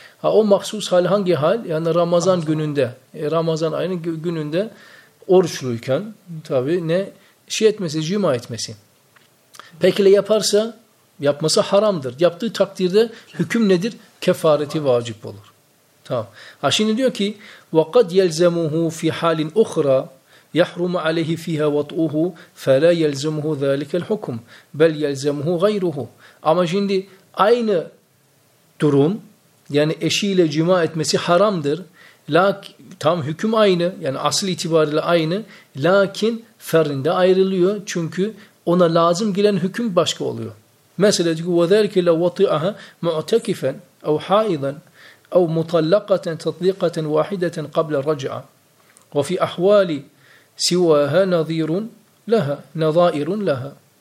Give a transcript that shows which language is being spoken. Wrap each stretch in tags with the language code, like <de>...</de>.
<tr>Ha, o mahsus hal hangi hal? Yani Ramazan gününde. Ramazan ayının gününde oruçluyken tabii ne? Şey etmesi, cima etmesi. Peki ne yaparsa? Yapması haramdır. Yaptığı takdirde hüküm nedir? Kefareti vacip olur. Tamam. Ha şimdi diyor ki</tr> <ar>وَقَدْ يَلْزَمُهُ فِي حَالٍ اُخْرَى يَحْرُمُ عَلَيْهِ فِيهَا وَطْعُهُ فَلَا يَلْزَمُهُ ذَٰلِكَ الْحُكُمْ بَلْ يَلْزَمُهُ غَيْرُهُ</ar> <tr>Ama şimdi aynı durum yani eşiyle cima etmesi haramdır. Tam hüküm aynı yani asıl itibariyle aynı lakin ferinde ayrılıyor çünkü ona lazım gelen hüküm başka oluyor.</tr> <ar>مثلا تقول وذلك لو وطئها معتكفا أو حائضا أو مطلقة تطليقة واحدة قبل الرجعة وفي أحوال سواها نظير لها نظائر لها</ar>